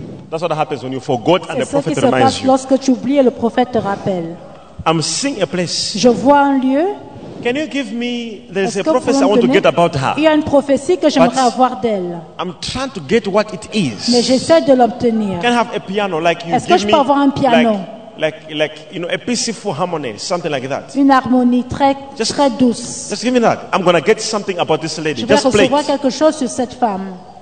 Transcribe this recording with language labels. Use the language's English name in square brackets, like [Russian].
[English] That's what happens when you forget and the prophet reminds you. [French] C'est ce qui se passe lorsque tu oublies et le prophète te rappelle. [English] I'm seeing a place. [French] Je vois un lieu. [English] Can you give me? There's a prophecy I want to get about her. [French] Il y a une prophétie que j'aimerais avoir d'elle. [English] I'm trying to get what it is. [French] Mais j'essaie de l'obtenir. [English] Can I have a piano like you? [French] Est-ce que je peux avoir un piano? [English] Like you know, a peaceful harmony, something like that. [French] Une harmonie très douce. [English] Just give me that. I'm gonna get something about this lady. Just play. [French] Je vais recevoir quelque chose sur cette femme.